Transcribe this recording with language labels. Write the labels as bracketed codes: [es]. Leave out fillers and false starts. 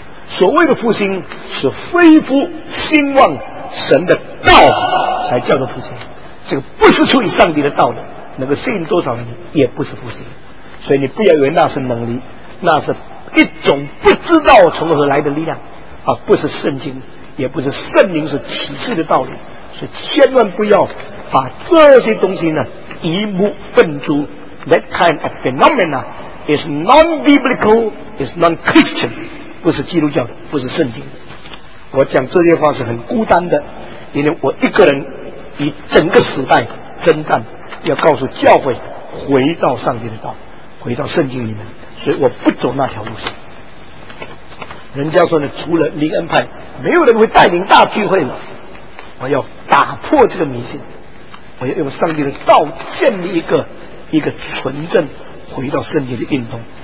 [zh] 所谓的复兴是恢复兴旺神的道才叫做复兴，这个不是出于上帝的道理，能够吸引多少人也不是复兴。所以你不要以为那是能力，那是一种不知道从何来的力量，而不是圣经，也不是圣灵所启示的道理。所以千万不要把这些东西呢一目分诸。 [en] That kind of phenomena is non-biblical, is non-Christian, [zh] 不是基督教的，不是圣经的。我讲这些话是很孤单的，因为我一个人以整个时代征战，要告诉教会回到上帝的道，回到圣经里面，所以我不走那条路线。人家说呢，除了灵恩派没有人会带领大聚会了，我要打破这个迷信，我要用上帝的道建立一个纯正回到圣经的运动。